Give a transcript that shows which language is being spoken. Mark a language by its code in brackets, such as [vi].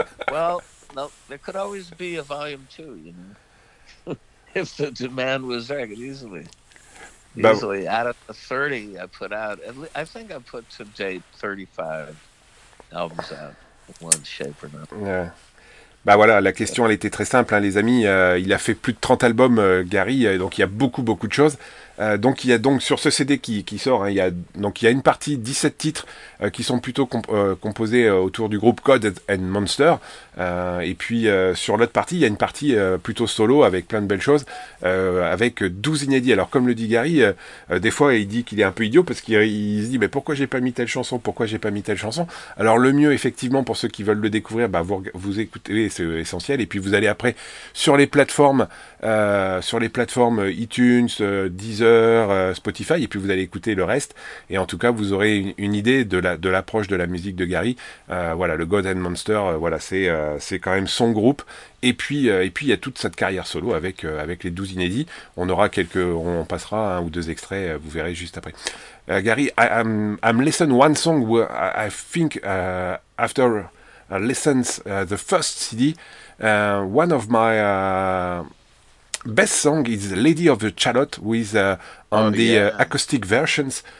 [en] Well, no, there could always be a volume 2, if the demand was there, I could easily. Easily, out of the 30 I put out, at least, I think I put to date 35 albums out. Yeah. [fr] Bah voilà, la question elle était très simple, hein, les amis. Il a fait plus de 30 albums, Gary, donc il y a beaucoup, beaucoup de choses. Donc il y a donc sur ce CD qui sort, hein, il y a une partie 17 titres qui sont plutôt composés autour du groupe Gods and Monsters. Et puis sur l'autre partie, il y a une partie plutôt solo avec plein de belles choses, avec 12 inédits. Alors comme le dit Gary, des fois il dit qu'il est un peu idiot parce qu'il se dit mais pourquoi j'ai pas mis telle chanson, pourquoi j'ai pas mis telle chanson. Alors le mieux effectivement pour ceux qui veulent le découvrir, bah vous écoutez, c'est essentiel. Et puis vous allez après sur les plateformes iTunes, Deezer, Spotify, et puis vous allez écouter le reste. Et en tout cas, vous aurez une idée de l'approche de la musique de Gary. Voilà, le God and Monster, voilà, c'est quand même son groupe. Et puis il y a toute cette carrière solo avec les 12 inédits. On passera un ou deux extraits, vous verrez juste après. [en] Gary, I'm listen one song where I think after listens the first CD, one of my best song is Lady of the Chalot with acoustic versions.